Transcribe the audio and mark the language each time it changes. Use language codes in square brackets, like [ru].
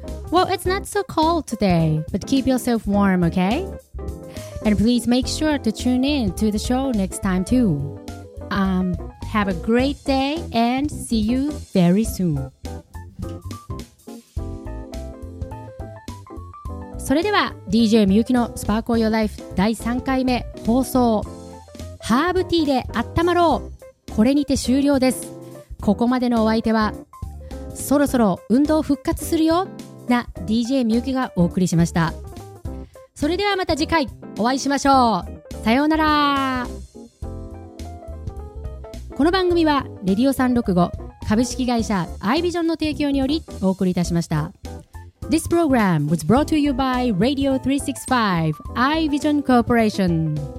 [en] Well, it's not so cold today, but keep yourself warm, okay? And please make sure to tune in to the show next time too. Have a great day and see you very soon. [ja] それでは DJ みゆきのスパークルヨーライフ第3回目放送、ハーブティーで温まろう、これにて終了です。ここまでのお相手は、そろそろ運動復活するよな DJ みゆきがお送りしました。それではまた次回お会いしましょう。さようなら。この番組はレディオ365株式会社アイビジョンの提供によりお送りいたしました。 [en] This program was brought to you by Radio 365 iVision Corporation.